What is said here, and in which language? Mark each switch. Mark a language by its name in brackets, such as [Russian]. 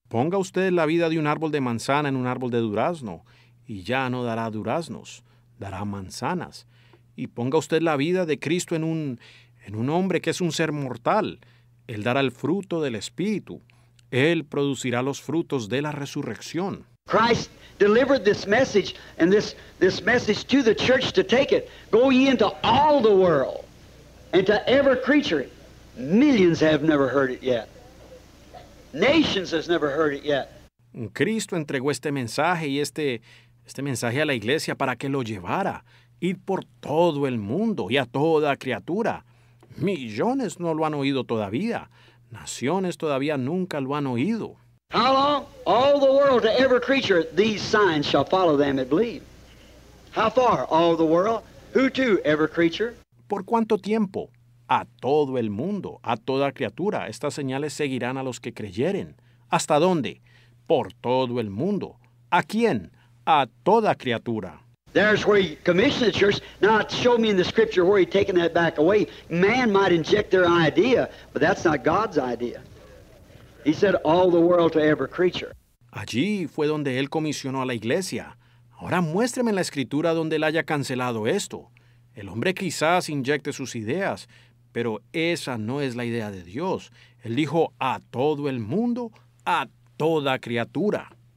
[Spanish] Ponga usted la vida de un árbol de manzana en un árbol de durazno, y ya no dará duraznos, dará manzanas. Y ponga usted la vida de Cristo en un hombre que es un ser mortal, él dará el fruto del Espíritu. Él producirá los frutos de la resurrección. [English] Christ delivered this message and this message to the church to take it. Go ye into all the world and to every creature. Millions have never heard it yet. Nations has never heard it yet. [Spanish] Cristo entregó este mensaje y este mensaje a la iglesia para que lo llevara, Id por todo el mundo y a toda criatura. Millones no lo han oído todavía. Naciones todavía nunca lo han oído. [English] How long? All the world to every creature, these signs shall follow them that believe. How far? All the world. Who to every creature? [Spanish] ¿Por cuánto tiempo? A todo el mundo, a toda criatura, estas señales seguirán a los que creyeren. ¿Hasta dónde? Por todo el mundo. ¿A quién? A toda criatura. [English] There's where he commissioned the church. Now, show me in the scripture where he taken that back away. Man might inject their idea, but that's not God's idea. He said, all the world to every creature. [Spanish] Allí fue donde él comisionó a la iglesia. Ahora muéstreme en la escritura donde él haya cancelado esto. El hombre quizás inyecte sus ideas, pero esa no es la idea de Dios. Él dijo, a todo el mundo, a toda criatura.